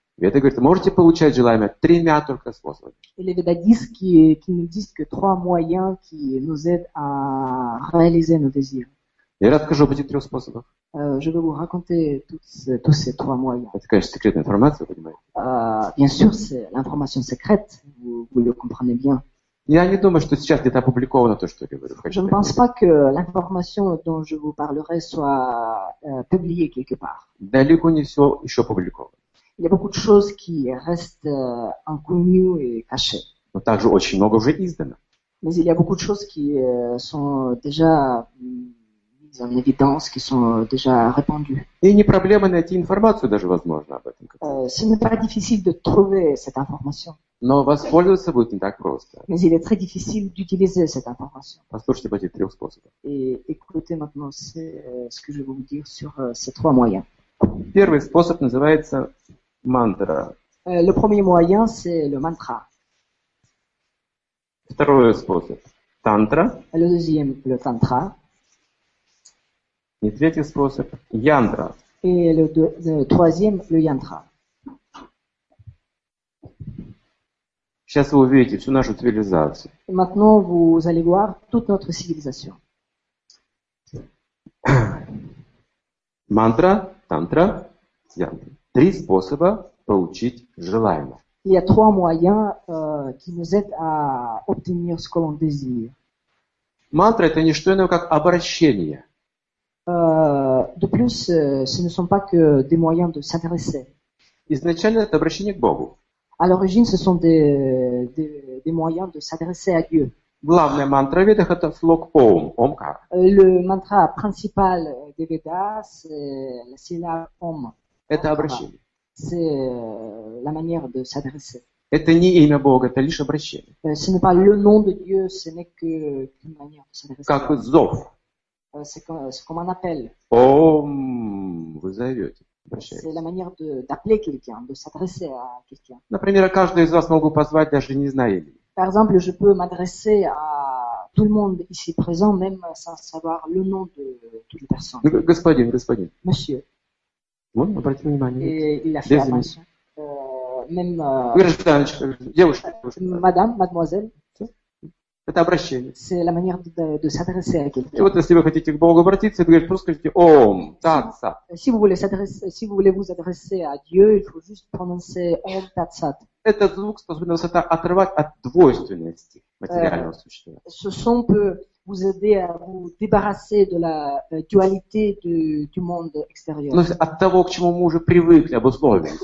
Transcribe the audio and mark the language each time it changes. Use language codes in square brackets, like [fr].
[ru] Веды говорят, можете получать желаемое тремя только способами. [fr] Les Védas disent qu'il n'existe que trois moyens qui nous aident à réaliser nos désirs. [ru] Я расскажу об этих трех способах. [fr] Je vais vous raconter tous ces trois moyens. [ru] Это, конечно, секретная информация, понимаете? [fr] Bien sûr, c'est l'information secrète. Vous le comprenez bien. [ru] Я не думаю, что сейчас где-то опубликовано то, что я говорю. [fr] Je ne pense pas que l'information dont je vous parlerai soit publiée quelque part. [ru] Далеко не все еще опубликовано. [fr] Il y a beaucoup de choses qui restent inconnues et cachées. [ru] Но также очень много уже издано. [fr] Mais il y a beaucoup de choses qui sont déjà mises en évidence, qui sont déjà répandues. [ru] И не проблема найти информацию даже возможно об этом. [fr] Ce n'est pas difficile de trouver cette information. [ru] Но воспользоваться будет не так просто. [fr] Mais il est très difficile d'utiliser cette information. [ru] Послушайте по этих трех способов. [fr] Et écoutez maintenant ce que je vais vous dire sur ces trois moyens. [ru] Первый способ называется мантра. [fr] Le premier moyen, c'est le mantra. [ru] Второй способ – тантра. [fr] Le deuxième, le тантра. [ru] И третий способ – янтра. [fr] Et le troisième, le янтра. [ru] Сейчас вы увидите всю нашу цивилизацию. [fr] Et maintenant, vous allez voir toute notre civilisation. [ru] Мантра, тантра, янтра. Три способа получить желаемое. [fr] Il y a trois moyens qui nous aident à obtenir ce que l'on désire. [ru] Мантра – это не что иное, как обращение. [fr] De plus, ce ne sont pas que des moyens de s'adresser. [ru] Изначально, это обращение к Богу. [fr] À l'origine, ce sont des moyens de s'adresser à Dieu. [ru] Главная мантра ведах – это слог Ом, Омкар. [fr] Le mantra principal des Védas, c'est la Ом. [ru] Это обращение. [fr] C'est la manière de s'adresser. [ru] Это не имя Бога, это лишь обращение. [fr] Ce n'est pas le nom de Dieu, ce n'est qu'une manière de s'adresser. [ru] Как зов. [fr] C'est comme un appel. [ru] Ом, вы зовете. Обращаюсь. [fr] C'est la manière d'appeler quelqu'un, de s'adresser à quelqu'un. [ru] Например, каждый из вас могу позвать, даже не зная имя. [fr] Par exemple, je peux m'adresser à tout le monde ici présent, même sans savoir le nom de toutes les personnes. [ru] Господин, господин. [fr] Monsieur. [ru] Вот, обратите внимание. [fr] Et il a fait attention. Même... [ru] Девушка. [fr] Madame, mademoiselle. [ru] Это обращение. [fr] C'est la manière de s'adresser à quelqu'un. [ru] И вот если вы хотите к Богу обратиться, вы говорите, просто скажите «Ом», «Тат Сат». [fr] Si vous voulez s'adresser, si vous voulez vous adresser à Dieu, il faut juste prononcer «Ом», «Тат Сат». [ru] Этот звук способен вас оторвать от двойственности материального существа. [fr] Ce son peut vous aider à vous débarrasser de la dualité du monde extérieur. [ru] Ну, от того, к чему мы уже привыкли, обусловили.